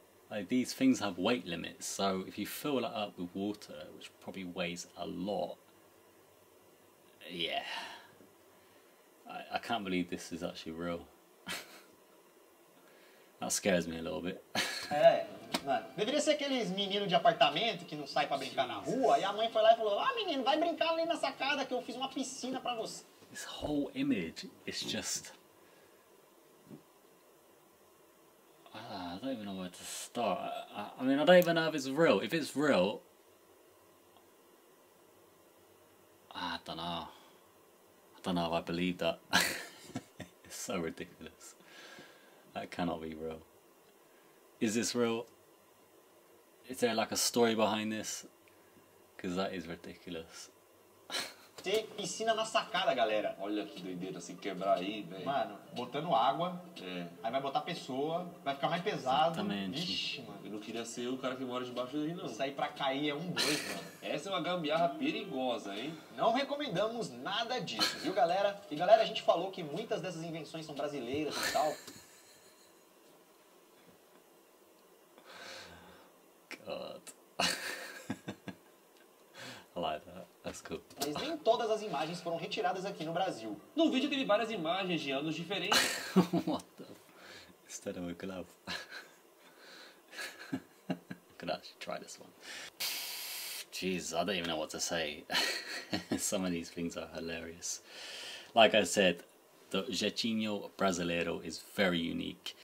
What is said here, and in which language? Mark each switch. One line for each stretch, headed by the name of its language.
English: Like, these things have weight limits, so if you fill it up with water, which probably weighs a lot. Yeah. I can't believe this is actually real. That scares me a little bit.
Portuguese: Mano, deveria ser aqueles meninos de apartamento que não saem pra brincar na rua. E a mãe foi lá e falou: ah, menino, vai brincar ali na sacada que eu fiz uma piscina pra você.
English: This whole image is just... I don't even know where to start. I mean, I don't even know if it's real. If it's real... I don't know if I believe that. is so ridiculous. That cannot be real. Is this real? Is there like a story behind this? Because that is ridiculous.
Portuguese: Ter piscina na sacada, galera. Olha que doideira se quebrar aí, velho. Mano, botando água, aí vai botar pessoa, vai ficar mais pesado. Exatamente. Vixe, mano. Eu não queria ser o cara que mora debaixo daí, não. Sair pra cair é um dois, mano. Essa é uma gambiarra perigosa, hein? Não recomendamos nada disso, viu, galera? E galera, a gente falou que muitas dessas invenções são brasileiras e tal.
English: God. Like that. That's cool.
Portuguese: Mas nem todas as imagens foram retiradas aqui no Brasil. No vídeo teve várias imagens de anos diferentes.
English: What the f... Instead of a glove. Could actually try this one. Jeez, I don't even know what to say. Some of these things are hilarious. Like I said, the jeitinho brasileiro is very unique.